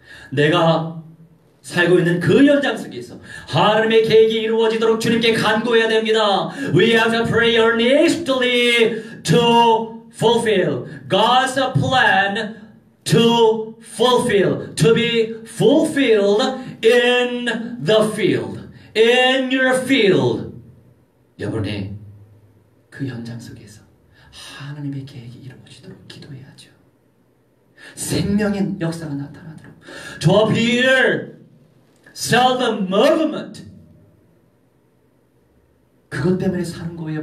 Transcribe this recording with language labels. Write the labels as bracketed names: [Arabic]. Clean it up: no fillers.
[Korean] 내가 살고 있는 그 현장 속에서 하나님의 계획이 이루어지도록 주님께 간구해야 됩니다. [English] We have to pray earnestly to fulfill God's plan to fulfill, to be fulfilled in the field, in your field. [Korean] 여러분의 그 현장 속에서 하나님의 계획이 이루어지도록 기도해야죠. 생명의 역사가 나타나도록 [English] To appear Seldom movement. [Korean] 그것 때문에 사는 거예요.